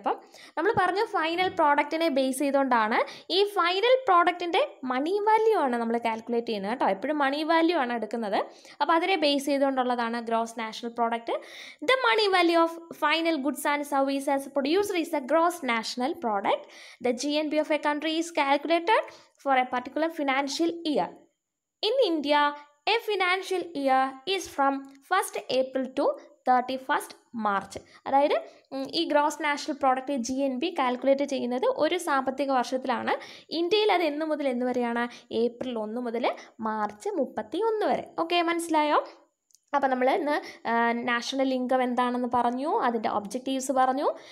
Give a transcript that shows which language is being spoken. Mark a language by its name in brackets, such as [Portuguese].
[Malayalam] അപ്പം നമ്മൾ പറഞ്ഞു ഫൈനൽ പ്രോഡക്റ്റിനെ ബേസ് ചെയ്തുകൊണ്ടാണ് ഈ ഫൈനൽ പ്രോഡക്റ്റിൻ്റെ മണി വാല്യൂ ആണ് നമ്മൾ കാൽക്കുലേറ്റ് ചെയ്യുന്നത് കേട്ടോ. എപ്പോഴും മണി വാല്യൂ ആണ് എടുക്കുന്നത്. അപ്പോൾ അതിനെ base ചെയ്തുകൊണ്ടുള്ളതാണ് gross national product. [English] The money value of final goods and services Producer is a gross national product. The GNP of a country is calculated for a particular financial year. In India, a financial year is from 1st April to 31st March. [Malayalam] അതായത് ഈ gross national product GNP calculate ചെയ്യുന്നത് ഒരു സാമ്പത്തിക വർഷത്തിലാണ്. ഇന്ത്യയിൽ അത് എന്ന് മുതൽ എന്ന് വരെയാണ്? April 1 മുതൽ March 31 വരെ. ഓക്കെ, മനസ്സിലായോ? അപ്പോൾ നമ്മൾ ഇന്ന് നാഷണൽ ഇൻകം എന്താണെന്ന് പറഞ്ഞു, അതിൻ്റെ ഒബ്ജക്റ്റീവ്സ് പറഞ്ഞു.